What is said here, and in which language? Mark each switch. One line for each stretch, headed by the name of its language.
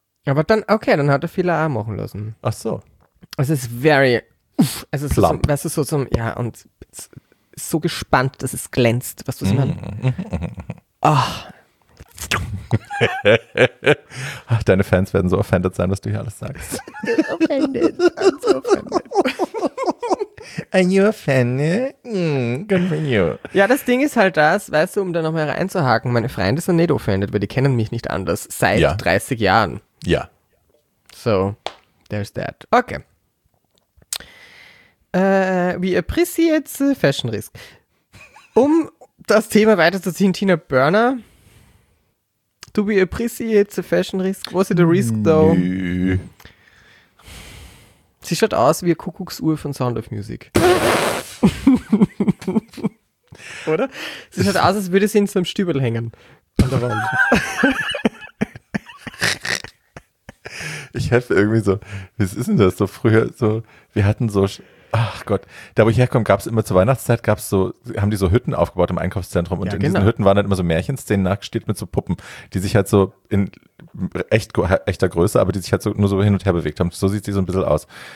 German: Aber dann, okay, dann hat er Filler auch machen lassen. Ach so. Es ist very, es ist plump. So, weißt du, so zum, ja, und so gespannt, dass es glänzt, was du so meinst. Ach. Ach, deine Fans werden so offended sein, was du hier alles sagst.
English: Offended. I'm so offended. Are you offended? Mm, good for you.
German: Ja, das Ding ist halt das, weißt du, um da nochmal reinzuhaken, meine Freunde sind nicht offended, weil die kennen mich nicht anders seit 30 Jahren. Ja.
English: So, there's that. Okay. We appreciate the fashion risk.
German: Um das Thema weiterzuziehen, Tina Burner.
English: Do we appreciate the fashion risk? Was is the risk, though?
German: Nö. Sie schaut aus wie eine Kuckucksuhr von Sound of Music. Oder? Sie schaut aus, als würde sie in so einem Stübel hängen. An der Wand. Ich helfe irgendwie so, was ist denn das so früher? So, wir hatten so, ach Gott, da wo ich herkomme, gab es immer zur Weihnachtszeit, gab es so, haben die so Hütten aufgebaut im Einkaufszentrum und ja, in genau. Diesen Hütten waren dann immer so Märchenszenen nachgestellt mit so Puppen, die sich halt so in echter Größe, aber die sich halt so nur so hin und her bewegt haben. So sieht sie so ein bisschen aus.